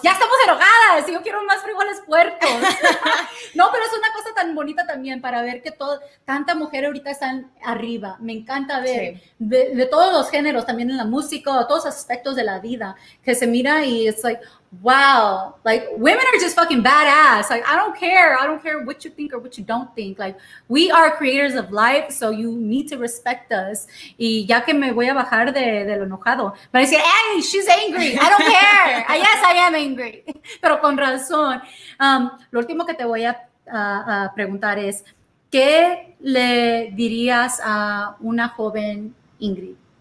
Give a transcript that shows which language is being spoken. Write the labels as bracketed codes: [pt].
[es] Ya estamos enojadas, yo quiero más frijoles puercos. No, pero es una cosa tan bonita también para ver que tanta mujer ahorita está arriba. Me encanta ver, sí, de todos los géneros, también en la música, todos aspectos de la vida, que se mira y es [en] like, wow, like women are just fucking badass. Like, I don't care what you think or what you don't think. Like, we are creators of life, so you need to respect us. [es] Y ya que me voy a bajar de lo enojado, me decía, [en] hey, she's angry. I don't care. Yes, I am angry, [es] pero con razón. Lo último que te voy a preguntar es: ¿qué le dirías a una joven Ingrid?